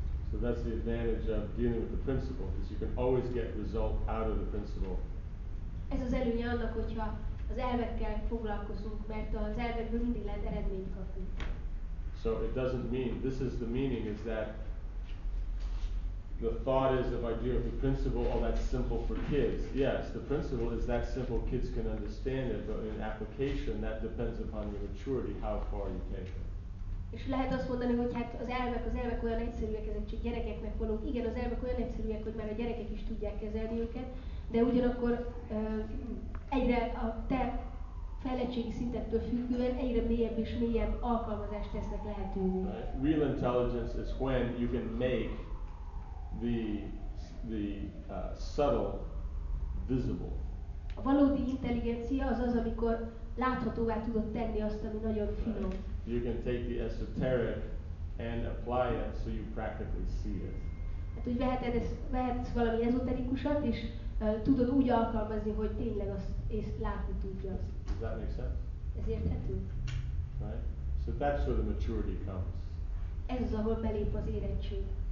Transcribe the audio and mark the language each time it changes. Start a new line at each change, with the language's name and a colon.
English: So that's the advantage of dealing with the principle, because you can always get result out of the principle.
Hungarian: Ez az előnye annak, hogyha az elvekkel foglalkozunk, mert az elvekből mindig lehet eredményt kapni.
English: So it doesn't mean, this is the meaning, is that the thought is if I deal with the principle, all that's simple for kids. Yes, the principle is that simple, kids can understand it, but in application that depends upon your maturity, how far you take it.
Hungarian: És lehet azt mondani, hogy hát az elvek olyan egyszerűek, ezek csak gyerekeknek való. Igen, az elvek olyan egyszerűek, hogy már a gyerekek is tudják kezelni őket, de ugyanakkor egyre a te fejlettségi szintettől függően egyre mélyebb és mélyebb alkalmazást tesznek lehetővé.
English: Real intelligence is when you can make the subtle visible.
Hungarian: A valódi intelligencia az az, amikor láthatóvá tudod tenni azt, ami nagyon finom.
English: You can take the esoteric and apply it so you practically see it.
Hungarian: Hát úgy vehetsz valami ezoterikusat, és tudod úgy alkalmazni, hogy tényleg azt és látni tudjad.
English: Does that make sense?
Hungarian: Ez érthető.
English: Right? So that's where the maturity comes.
Hungarian: Ez az, ahol belép az érettség.